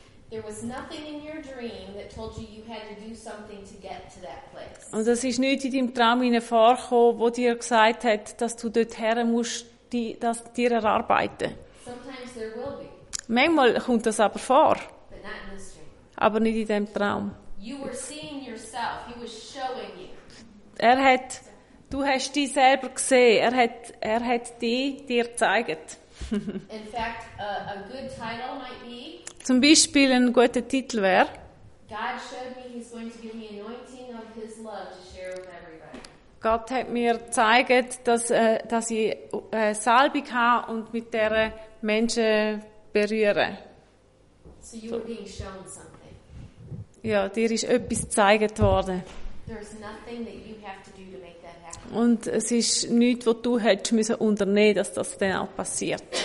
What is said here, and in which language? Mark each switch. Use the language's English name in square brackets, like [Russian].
[English] There was nothing in your dream that told you you had to do something to get to that place. [German] Und es ist nichts in deinem Traum inne vorgekommen, wo dir gesagt hat, dass du dort her musst, das dir erarbeiten. [English] Sometimes there will be. [German] Manchmal kommt das aber vor. [English] But not in this dream. [German] Aber nicht in dem Traum. [English] You were seeing yourself. He was showing you. [German] Du hast dich selber gesehen. Er hat dich dir gezeigt. [English] In fact, a good title might be. [German] Zum Beispiel ein guter Titel wäre. [English] God showed me he's going to give me anointing of his love to share with everybody. [German] Gott hat mir gezeigt, dass ich Salbung habe und mit der Menschen berühre. [English] So you were being shown something. [German] Ja, dir ist etwas gezeigt worden. [English] There's nothing that you have to do to make. [German] Und es ist nichts, was du hättest müssen unternehmen, dass das dann auch passiert.